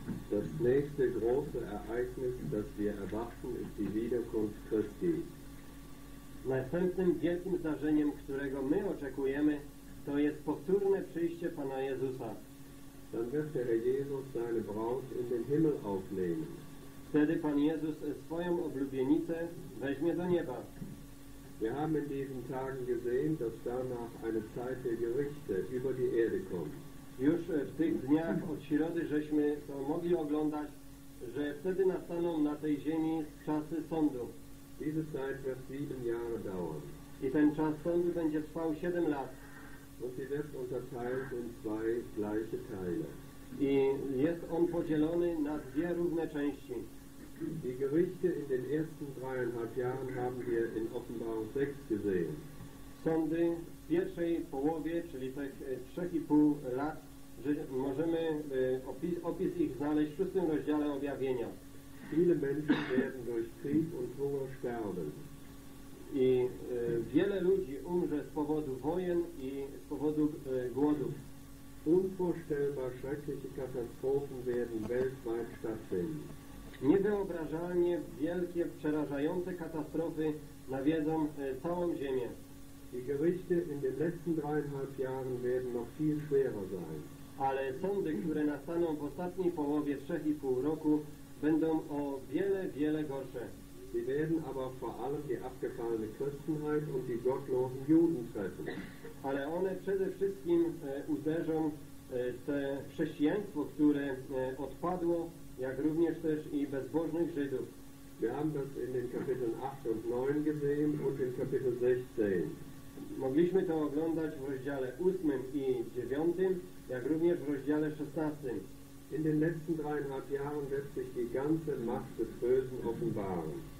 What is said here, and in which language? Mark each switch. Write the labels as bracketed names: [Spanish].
[German] Das nächste große Ereignis, das wir erwarten, ist die Wiederkunft Christi. [Polish] Następnym wielkim zdarzeniem, którego my oczekujemy, to jest powtórne przyjście Pana Jezusa. [German] Dann wird der Herr Jesus seine Braut in den Himmel aufnehmen. [Polish] Wtedy Pan Jezus swoją oblubienicę weźmie do nieba. [German] Wir haben in diesen Tagen gesehen, dass danach eine Zeit der Gerichte über die Erde kommt. [Polish] Już w tych dniach od środy żeśmy to mogli oglądać, że wtedy nastaną na tej ziemi czasy sądu. [German] Diese Zeit wird 7 Jahre dauern. [Polish] I ten czas sądu będzie trwał 7 lat. [German] Und sie wird unterteilt in 2 gleiche Teile. [Polish] I jest on podzielony na 2 różne części. [German] Die Gerichte in den ersten 3,5 Jahren haben wir in Offenbarung 6 gesehen. [Polish] Sądy w pierwszej połowie, czyli tych 3,5 lat, że możemy opis ich znaleźć w 6 rozdziale objawienia. [German] Viele Menschen werden durch Krieg und Hunger sterben. [Polish] I wiele ludzi umrze z powodu wojen i z powodu głodów. [German] Unvorstellbar schreckliche Katastrophen werden weltweit stattfinden. [Polish] Niewyobrażalnie wielkie, przerażające katastrofy nawiedzą całą Ziemię. [German] Die Gerichte in den letzten 3,5 Jahren werden noch viel schwerer sein. [Polish] Ale sądy, które nastaną w ostatniej połowie 3,5 roku, będą o wiele, wiele gorsze. [German] Sie werden aber vor allem die abgefallene Christenheit und die gottlosen Juden treffen. [Polish] Ale one przede wszystkim uderzą te chrześcijaństwo, które odpadło, jak również też i bezbożnych Żydów. [German] Wir haben das in den Kapiteln 8 und 9 gesehen und in Kapitel 16. [Polish] Mogliśmy to oglądać w rozdziale 8 i 9, jak również w rozdziale 16. [German] In den letzten 3,5 Jahren wird sich die ganze Macht des Bösen offenbaren.